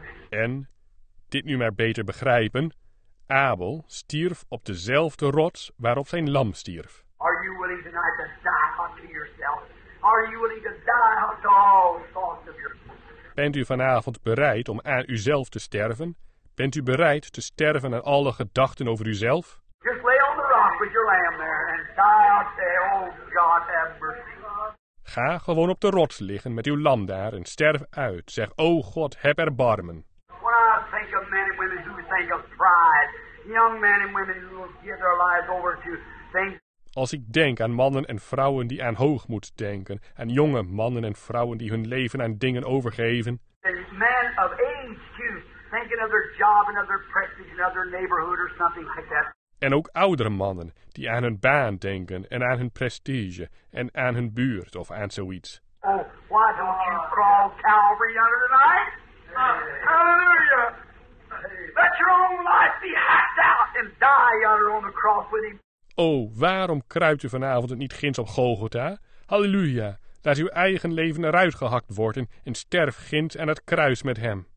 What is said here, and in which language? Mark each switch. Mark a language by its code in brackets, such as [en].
[nl] En, dit nu maar beter begrijpen, Abel stierf op dezelfde rots waarop zijn lam stierf. [en] Are you willing tonight to die unto yourself? Are you willing to die unto all thoughts of yourself? [nl] Bent u vanavond bereid om aan uzelf te sterven? Bent u bereid te sterven aan alle gedachten over uzelf? [en] Just lay on the rock with your lamb there and die out there, oh God, have mercy. [nl] Ga gewoon op de rots liggen met uw lam daar en sterf uit. Zeg, o God, heb erbarmen. [en] When I think of men and women who think of pride, young men and women who give their lives over to things. [nl] Als ik denk aan mannen en vrouwen die aan hoogmoed denken, aan jonge mannen en vrouwen die hun leven aan dingen overgeven. [en] And men of age too, thinking of their job and of their prestige and of their neighborhood or something like that. [nl] En ook oudere mannen die aan hun baan denken en aan hun prestige en aan hun buurt of aan zoiets. [en] Oh, why don't you crawl Calvary under the night? Hallelujah! Let your own life be hacked out and die under on the cross with him. [nl] Oh, waarom kruipt u vanavond niet ginds op Golgotha? Halleluja! Laat uw eigen leven eruit gehakt worden en sterf ginds aan het kruis met hem.